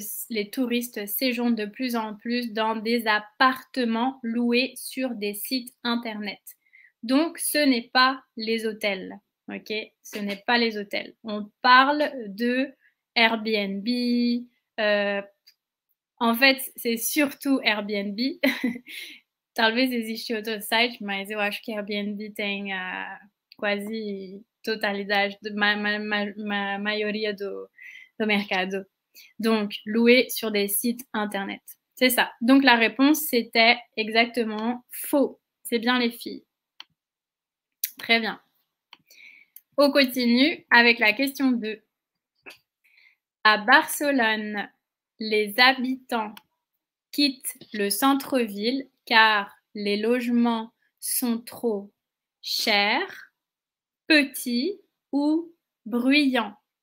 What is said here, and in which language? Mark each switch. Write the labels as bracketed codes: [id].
[fr] Les touristes séjournent de plus en plus dans des appartements loués sur des sites internet. Donc, ce n'est pas les hôtels, ok? Ce n'est pas les hôtels. On parle de Airbnb, en fait, c'est surtout Airbnb. [pt] Talvez existe outro site, mas eu acho que Airbnb tem a quasi totalidade, maioria do mercado. [fr] Donc, louer sur des sites internet. C'est ça. Donc, la réponse, c'était exactement faux. C'est bien les filles. Très bien. On continue avec la question 2. À Barcelone, les habitants quittent le centre-ville car les logements sont trop chers, petits ou bruyants.